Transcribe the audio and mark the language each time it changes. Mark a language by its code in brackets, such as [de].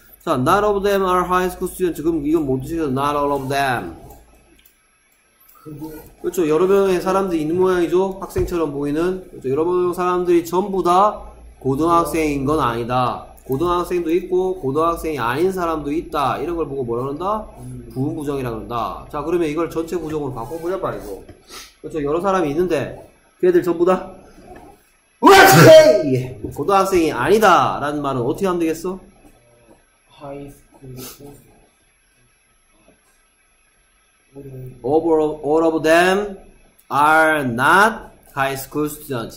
[en] 자, not all of them are high school students. [ko] 그럼 이건 못 드시겠어. [en] Not all of them. [ko] 그렇죠. 여러 명의 사람들이 있는 모양이죠. 학생처럼 보이는. 그렇죠? 여러 명의 사람들이 전부 다 고등학생인 건 아니다. 고등학생도 있고, 고등학생이 아닌 사람도 있다. 이런 걸 보고 뭐라 그런다? 부분부정이라 그런다. 자, 그러면 이걸 전체 부정으로 바꿔보자, 말이죠. 그렇죠. 여러 사람이 있는데, 걔들 전부 다, 고등학생이 아니다. 라는 말은 어떻게 하면 되겠어? [en] 하이 스쿨 포스 All of them are not high school students.